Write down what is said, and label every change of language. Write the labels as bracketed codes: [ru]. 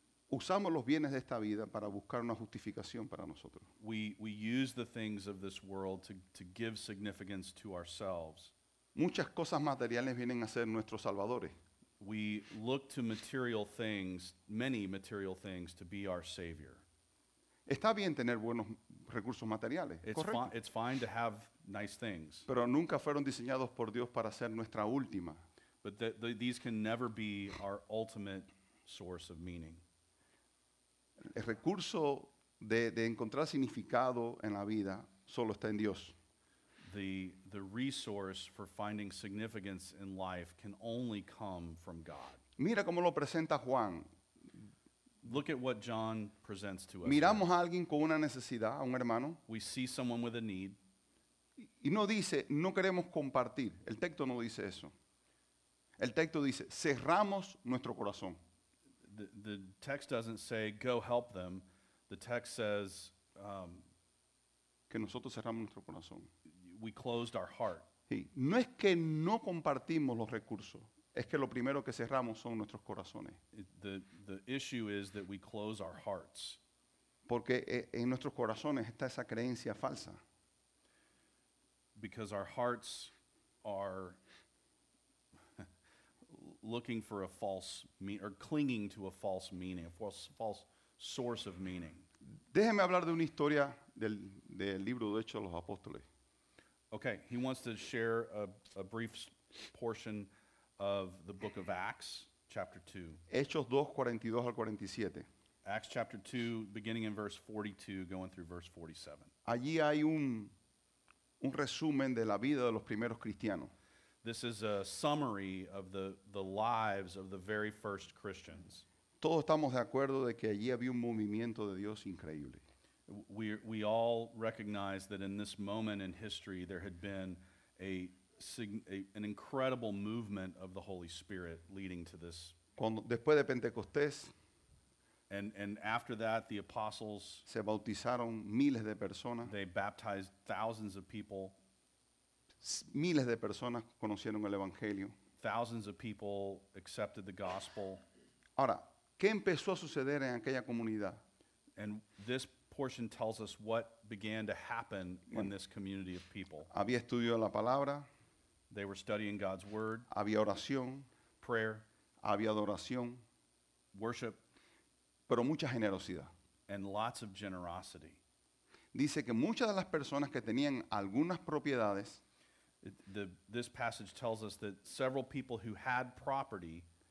[es] Usamos los bienes de esta vida para buscar una justificación para nosotros. [en] We use the things of this world to give significance to ourselves. [es] Muchas cosas materiales vienen a ser nuestros salvadores. [en] We look to material things, many material things, to be our savior. [es] Está bien tener buenos recursos materiales. [en] It's fine to have nice things. [es] Pero nunca fueron diseñados por Dios para ser nuestra última. [en] But these can never be our ultimate source of meaning. [es] El recurso de encontrar significado en la vida solo está en Dios. [en] The resource for finding significance in life can only come from God. [es] Mira cómo lo presenta Juan. [en] Look at what John presents to us. [es] Miramos a alguien con una necesidad, a un hermano. [en] We see someone with a need. [es] Y no dice, no queremos compartir. El texto no dice eso. El texto dice, cerramos nuestro corazón. [en] The text doesn't say, go help them. The text says, [es] que nosotros cerramos nuestro corazón. [en] We closed our heart. [es] Sí. No es que no compartimos los recursos. Es que lo primero que cerramos son nuestros corazones. [en] The issue is that we close our hearts. [es] Porque en nuestros corazones está esa creencia falsa. [en] Because our hearts are looking for a false meaning, or clinging to a false meaning, a false source of meaning. [es] Déjeme hablar de una historia del libro de Hechos de los Apóstoles. [en] Okay, he wants to share a brief portion of the book of Acts, chapter 2. [es] Hechos 2, 42 al 47. [en] Acts chapter 2, beginning in verse 42, going through verse 47. [es] Allí hay un resumen de la vida de los primeros cristianos. [en] This is a summary of the lives of the very first Christians. [es] Todos estamos de acuerdo de que allí había un movimiento de Dios increíble. [en] We all recognize that in this moment in history there had been an incredible movement of the Holy Spirit leading to this. [es] Después de Pentecostés, [en] and after that the apostles [es] se bautizaron miles de personas. [en] They baptized thousands of people. [es] Miles de personas conocieron el evangelio. [en] Thousands of people accepted the gospel. [es] Ahora, ¿qué empezó a suceder en aquella comunidad? [en] And this portion tells us what began to happen in this community of people. [es] Había estudio de la palabra. [en] They were studying God's word. [es] Había oración. [en] Prayer. [es] Había adoración. [en] Worship. [es] Pero mucha generosidad. [en] And lots of generosity. [es] Dice que muchas de las personas que tenían algunas propiedades. [en] This passage tells us that several people who had property